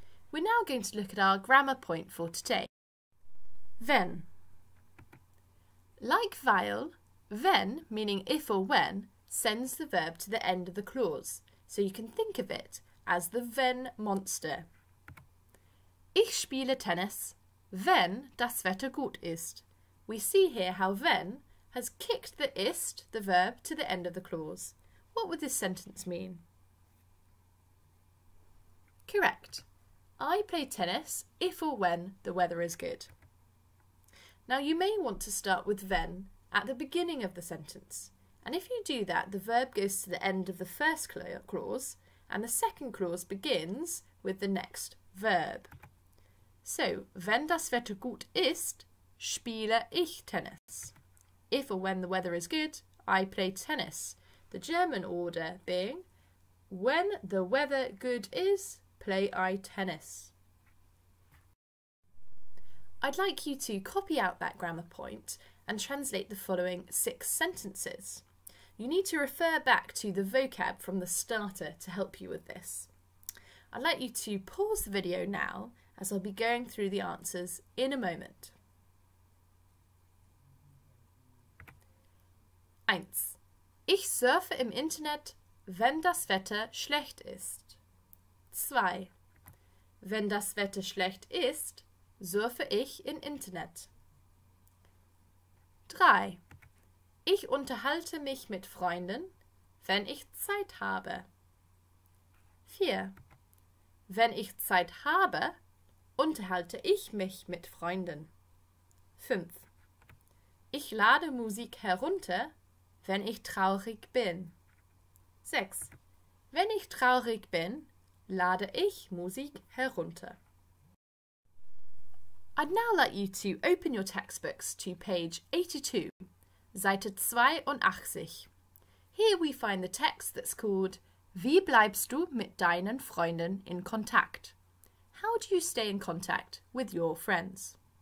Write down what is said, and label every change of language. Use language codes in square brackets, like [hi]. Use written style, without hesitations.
[en] We're now going to look at our grammar point for today. Wenn. Like weil, wenn, meaning if or when, sends the verb to the end of the clause. So you can think of it as the wenn monster. [de] Ich spiele Tennis, wenn das Wetter gut ist. [en] We see here how wenn has kicked the ist, the verb, to the end of the clause. What would this sentence mean? Correct. I play tennis if or when the weather is good. Now you may want to start with wenn at the beginning of the sentence. And if you do that, the verb goes to the end of the first clause and the second clause begins with the next verb. [de] So, wenn das Wetter gut ist, spiele ich Tennis. [en] If or when the weather is good, I play tennis. The German order being, when the weather good is, play I tennis. I'd like you to copy out that grammar point and translate the following six sentences. You need to refer back to the vocab from the starter to help you with this. I'd like you to pause the video now, as I'll be going through the answers in a moment. 1. [de] Ich surfe im Internet, wenn das Wetter schlecht ist. 2. Wenn das Wetter schlecht ist, surfe ich im Internet. 3. Ich unterhalte mich mit Freunden, wenn ich Zeit habe. 4. Wenn ich Zeit habe, unterhalte ich mich mit Freunden. 5. Ich lade Musik herunter, wenn ich traurig bin. 6. Wenn ich traurig bin, lade ich Musik herunter. [en] I'd now like you to open your textbooks to page 82, [de] Seite 82. [en] Here we find the text that's called [de] Wie bleibst du mit deinen Freunden in Kontakt? [en] How do you stay in contact with your friends?